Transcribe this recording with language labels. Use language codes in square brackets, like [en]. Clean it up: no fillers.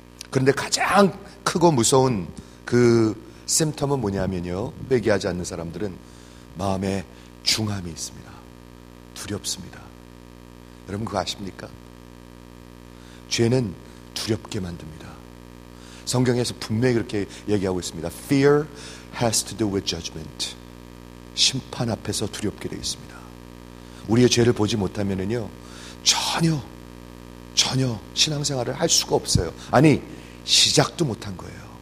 [ko] 그런데 가장 크고 무서운 그 심텀은 뭐냐면요, 회개하지 않는 사람들은 마음에 중함이 있습니다. 두렵습니다. 여러분 그거 아십니까? 죄는 두렵게 만듭니다. 성경에서 분명히 그렇게 얘기하고 있습니다. [en] Fear has to do with judgment. [ko] 심판 앞에서 두렵게 되어 있습니다. 우리의 죄를 보지 못하면은요, 전혀 신앙생활을 할 수가 없어요. 아니, 시작도 못한 거예요.